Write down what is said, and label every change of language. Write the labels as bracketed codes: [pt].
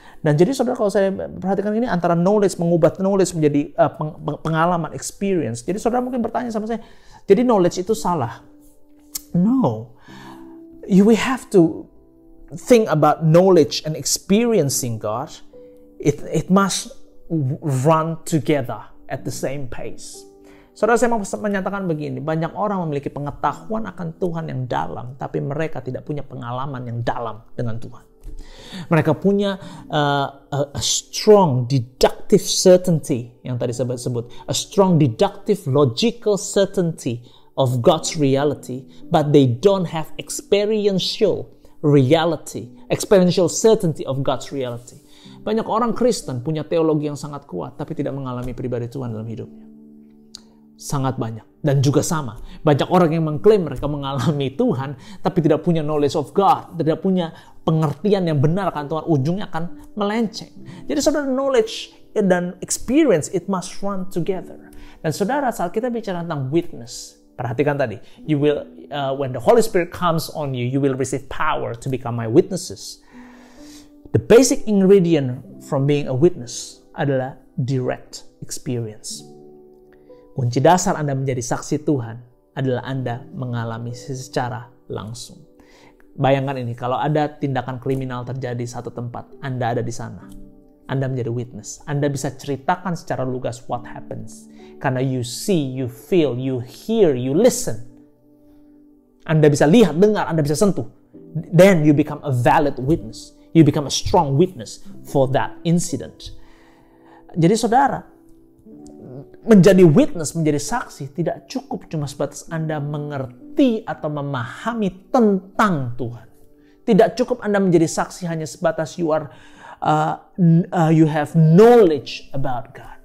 [id] Dan jadi saudara, kalau saya perhatikan ini antara knowledge, mengubah knowledge menjadi pengalaman, experience. Jadi saudara mungkin bertanya sama saya, jadi knowledge itu salah? No. [en] We have to think about knowledge and experiencing God. It must run together at the same pace. [id] Saudara, saya mau menyatakan begini, banyak orang memiliki pengetahuan akan Tuhan yang dalam, tapi mereka tidak punya pengalaman yang dalam dengan Tuhan. Mereka punya [en] a strong deductive certainty, [id] yang tadi saya sebut, [en] a strong deductive logical certainty of God's reality, but they don't have experiential reality, experiential certainty of God's reality. [id] Banyak orang Kristen punya teologi yang sangat kuat, tapi tidak mengalami pribadi Tuhan dalam hidupnya. Sangat banyak. Dan juga sama, banyak orang yang mengklaim mereka mengalami Tuhan, tapi tidak punya [en] knowledge of God, [id] tidak punya pengertian yang benar akan Tuhan, ujungnya akan melenceng. Jadi saudara, knowledge dan experience, [en] it must run together. [id] Dan saudara, saat kita bicara tentang witness, perhatikan tadi, [en] when the Holy Spirit comes on you, you will receive power to become my witnesses. The basic ingredient from being a witness [id] adalah [en] direct experience. [id] Kunci dasar Anda menjadi saksi Tuhan adalah Anda mengalami secara langsung. Bayangkan ini, kalau ada tindakan kriminal terjadi satu tempat, Anda ada di sana. Anda menjadi witness. Anda bisa ceritakan secara lugas [en] what happens. [id] Karena [en] you see, you feel, you hear, you listen. [id] Anda bisa lihat, dengar, Anda bisa sentuh. [en] Then you become a valid witness. You become a strong witness for that incident. [id] Jadi saudara, menjadi witness, menjadi saksi, tidak cukup cuma sebatas Anda mengerti atau memahami tentang Tuhan. Tidak cukup Anda menjadi saksi hanya sebatas [en] you have knowledge about God.